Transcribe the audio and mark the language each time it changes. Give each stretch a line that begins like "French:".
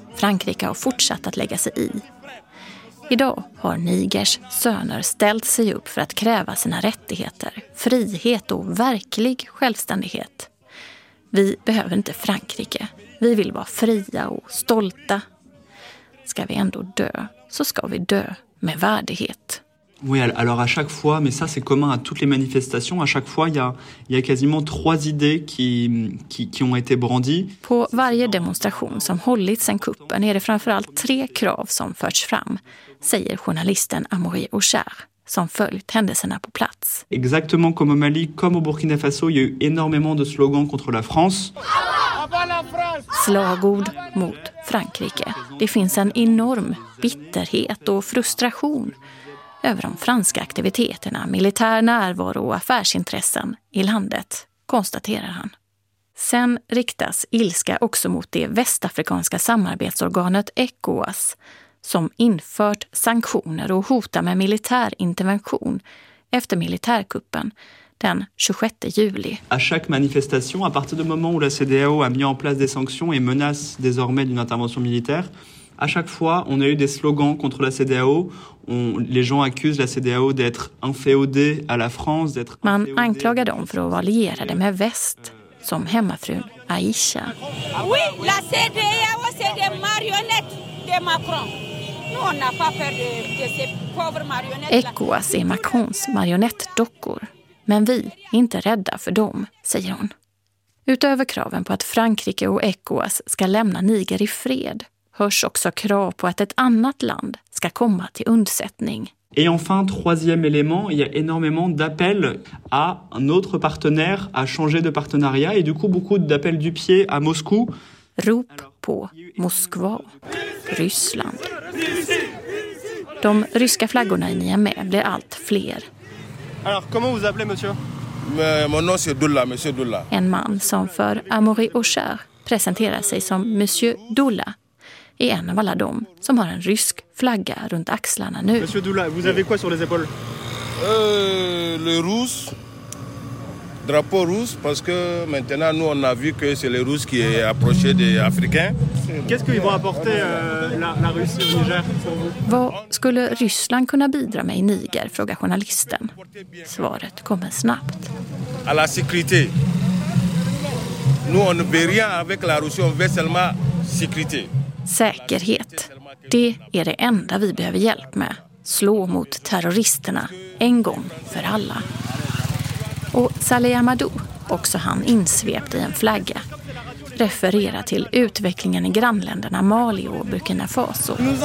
Swedish: Frankrike har fortsatt att lägga sig i. Idag har Nigers söner ställt sig upp för att kräva sina rättigheter, frihet och verklig självständighet. Vi behöver inte Frankrike. Vi vill vara fria och stolta. Ska vi ändå dö, så ska vi dö med värdighet.
French: Oui, alors à chaque fois, mais ça c'est commun à toutes les manifestations, à chaque fois il y a quasiment 3 idées qui ont été brandies.
Swedish: På varje demonstration som hållit sen kuppen är det framförallt 3 krav som förts fram, säger journalisten Amaury Ouchers, som följt händelserna på plats.
French: Exactement comme au Mali, comme au Burkina Faso, il y a eu énormément de slogans contre la France.
Swedish: Slagord mot Frankrike. Det finns en enorm bitterhet och frustration över de franska aktiviteterna, militär närvaro och affärsintressen i landet, konstaterar han. Sen riktas ilska också mot det västafrikanska samarbetsorganet ECOWAS, som infört sanktioner och hotar med militär intervention efter militärkuppen den 26 juli.
French: À chaque manifestation, à partir du moment où la CDAO a mis en place des sanctions et menace désormais d'une intervention militaire, à chaque fois, on a eu des slogans contre la CDAO. Les gens accusent la CDAO d'être inféodée à la France, d'être.
Swedish: Man anklagar dem för att vara lierade med väst, som hemmafrun Aisha.
French: Oui, la CDAO c'est des marionnettes de Macron. Nous on n'a pas peur de ces pauvres marionnettes.
Swedish: ECOWAS är Macrons marionettdockor, men vi är inte rädda för dem, säger hon. Utöver kraven på att Frankrike och ECOWAS ska lämna Niger i fred, hörs också krav på att ett annat land ska komma till undsättning.
French: Et enfin, troisième élément, il y a énormément d'appels à un autre partenaire à changer de partenariat et du coup beaucoup d'appels du pied à Moscou.
Swedish: Rop på Moskva, Ryssland. De ryska flaggorna i Niamey blir allt fler.
French: Alors, comment vous appelez monsieur? Mon nom c'est Doula, monsieur Doula.
Swedish: En man som för Amaury Ouchers presenterar sig som monsieur Doula. Är en av alla dem som har en rysk flagga runt axlarna nu.
French: Monsieur Doula, vous avez quoi sur les épaules? Le rouge. Drapeau rouge parce que maintenant nous on a vu que c'est les Russes qui est approché des Africains. Qu'est-ce qu'ils vont apporter la Russie au Niger pour vous?
Swedish: Vad skulle Ryssland kunna bidra med i Niger, frågar journalisten. Svaret kommer snabbt.
French: À la sécurité. Nous on ne veut rien avec la Russie, on veut seulement sécurité.
Swedish: Säkerhet, det är det enda vi behöver hjälp med. Slå mot terroristerna, en gång för alla. Och Saleh Amadou, också han insvept i en flagga, refererar till utvecklingen i grannländerna Mali och Burkina Faso.